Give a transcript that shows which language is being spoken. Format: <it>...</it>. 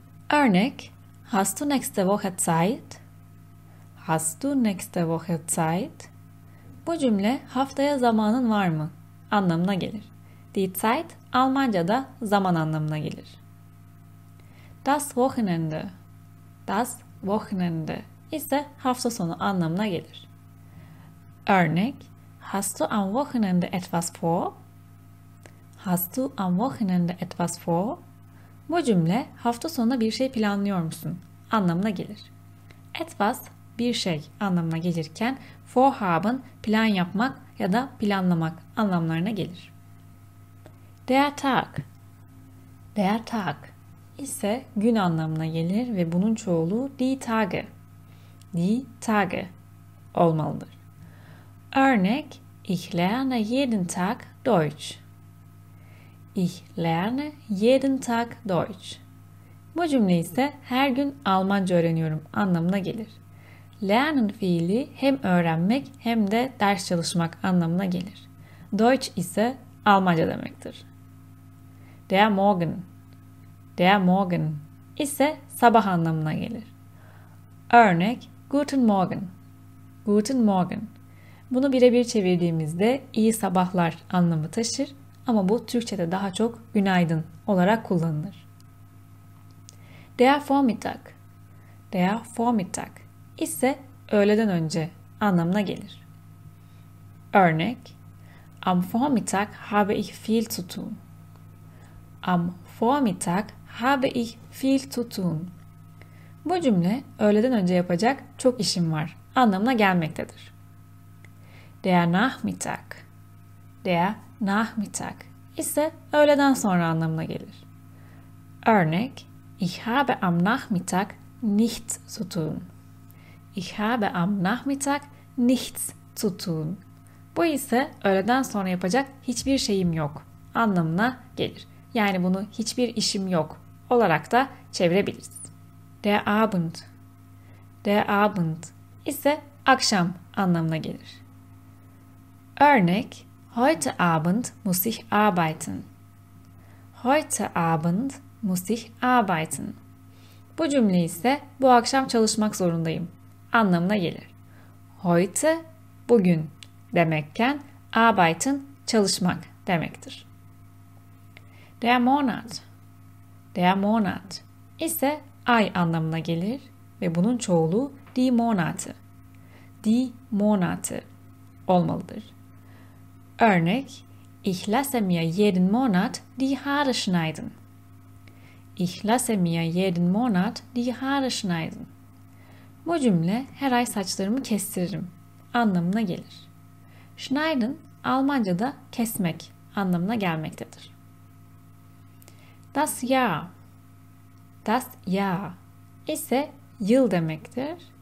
<de>Örnek: Hast du nächste Woche Zeit? Hast du nächste Woche Zeit?</de> <tr>Bu cümle haftaya zamanın var mı anlamına gelir. Die Zeit Almanca'da zaman anlamına gelir. Das Wochenende. Das Wochenende ise hafta sonu anlamına gelir.</tr> <de>Örnek: Hast du am Wochenende etwas vor? Hast du am Wochenende etwas vor?</de> <tr>Bu cümle hafta sonu bir şey planlıyor musun anlamına gelir. Etwas bir şey anlamına gelirken vorhaben plan yapmak ya da planlamak anlamlarına gelir. Der Tag. Der Tag ise gün anlamına gelir ve bunun çoğulu die Tage. Die Tage olmalıdır.</tr> <de>Örnek: Ich lerne jeden Tag Deutsch. Ich lerne jeden Tag Deutsch.</de> <tr>Bu cümle ise her gün Almanca öğreniyorum anlamına gelir. Lernen fiili hem öğrenmek hem de ders çalışmak anlamına gelir. Deutsch ise Almanca demektir. Der Morgen.</tr> <de>Der Morgen</de> <tr>ise sabah anlamına gelir. Örnek:</tr> <de>Guten Morgen. Guten Morgen.</de> <tr>Bunu birebir çevirdiğimizde iyi sabahlar anlamı taşır ama bu Türkçe'de daha çok günaydın olarak kullanılır. Der Vormittag. Der Vormittag ise öğleden önce anlamına gelir.</tr> <de>Örnek: Am Vormittag habe ich viel zu tun. Am Vormittag habe ich viel zu tun.</de> <tr>Bu cümle öğleden önce yapacak çok işim var anlamına gelmektedir. Der Nachmittag. Der Nachmittag ise öğleden sonra anlamına gelir.</tr> <de>Örnek: Ich habe am Nachmittag nichts zu tun. Ich habe am Nachmittag nichts zu tun.</de> <tr>Bu ise öğleden sonra yapacak hiçbir şeyim yok anlamına gelir. Yani bunu hiçbir işim yok olarak da çevirebiliriz. Der Abend. Der Abend ise akşam anlamına gelir.</tr> <de>Örnek: Heute Abend muss ich arbeiten. Heute Abend muss ich arbeiten.</de> <tr>Bu cümle ise bu akşam çalışmak zorundayım anlamına gelir. Heute bugün demekken arbeiten çalışmak demektir. Der Monat. Der Monat ise ay anlamına gelir ve bunun çoğulu die Monate. Die Monate olmalıdır.</tr> <de>Örnek: Ich lasse mir jeden Monat die Haare schneiden. Ich lasse mir jeden Monat die Haare schneiden.</de> <tr>Bu cümle her ay saçlarımı kestiririm anlamına gelir. Schneiden Almanca'da kesmek anlamına gelmektedir. Das Jahr. Das Jahr ise yıl demektir.</tr>